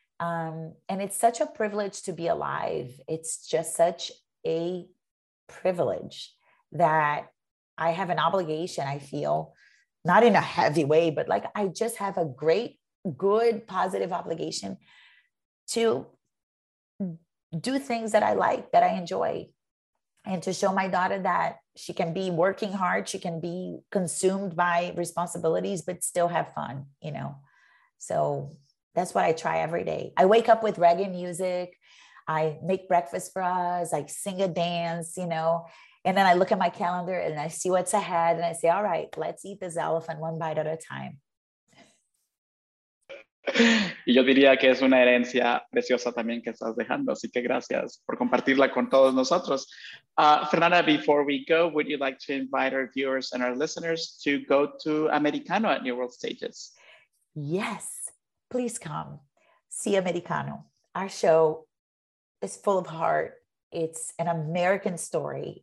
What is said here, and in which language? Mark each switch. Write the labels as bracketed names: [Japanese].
[English] And it's such a privilege to be alive. It's just such a privilege that I have an obligation, I feel, not in a heavy way, but like I just have a great, good, positive obligation to do things that I like, that I enjoy, and to show my daughter that she can be working hard, she can be consumed by responsibilities, but still have fun, you know? So that's what I try every day. I wake up with reggae music. I make breakfast for us. I sing a dance, you know? And then I look at my calendar and I see what's ahead and I say, all right, let's eat this elephant one bite at a time. [Spanish] Yo diría que es una herencia preciosa también que estás dejando, así que gracias por compartirla con todos nosotros. [English] Fernanda, before we go, would you like to invite our viewers and our listeners to go to Americano at New World Stages? Yes, please come see Americano. Our show is full of heart. It's an American story.